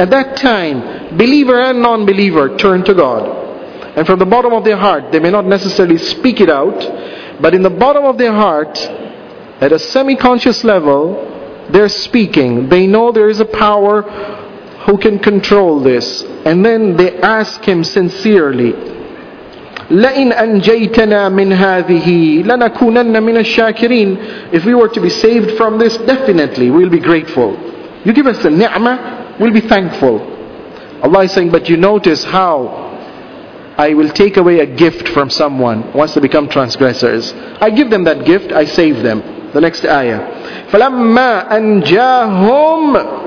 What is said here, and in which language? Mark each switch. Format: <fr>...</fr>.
<en>At that time, believer and non-believer turn to God. And from the bottom of their heart, they may not necessarily speak it out, but in the bottom of their heart, at a semi-conscious level, they're speaking. They know there is a power who can control this. And then they ask Him sincerely,</en> <ar>لَئِنْ أَنْجَيْتَنَا مِنْ هَذِهِ لَنَكُونَنَّ مِنَ الشَّاكِرِينَ.</ar> <en>If we were to be saved from this, definitely we'll be grateful. You give us the ni'mah, we'll be thankful. Allah is saying, but you notice how I will take away a gift from someone once they become transgressors. I give them that gift, I save them. The next ayah.</en> <ar>فَلَمَّا أَنْجَاهُمْ.</ar>